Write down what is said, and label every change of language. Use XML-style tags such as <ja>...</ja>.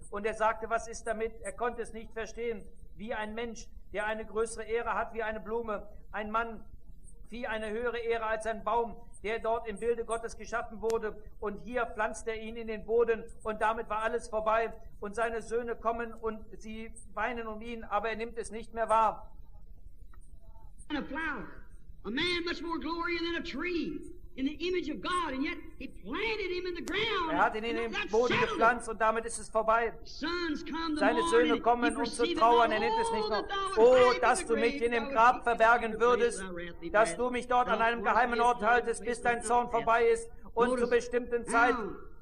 <de>Und er sagte, was ist damit? Er konnte es nicht verstehen, wie ein Mensch, der eine größere Ehre hat wie eine Blume, ein Mann, wie eine höhere Ehre als ein Baum, der dort im Bilde Gottes geschaffen wurde. Und hier pflanzt er ihn in den Boden und damit war alles vorbei. Und seine Söhne kommen und sie weinen um ihn, aber er nimmt es nicht mehr wahr.</de> <en>A flower, a man much more glory than a tree. in the image of God, and yet he planted him in the ground.</en> <de>Er hat ihn in den Boden gepflanzt und damit ist es vorbei. Seine Söhne kommen, um zu trauern. Er nennt es nicht mehr. Oh, dass du mich in dem Grab verbergen würdest, dass du mich dort an einem geheimen Ort haltest, bis dein Zorn vorbei ist und zu bestimmten Zeiten.</de>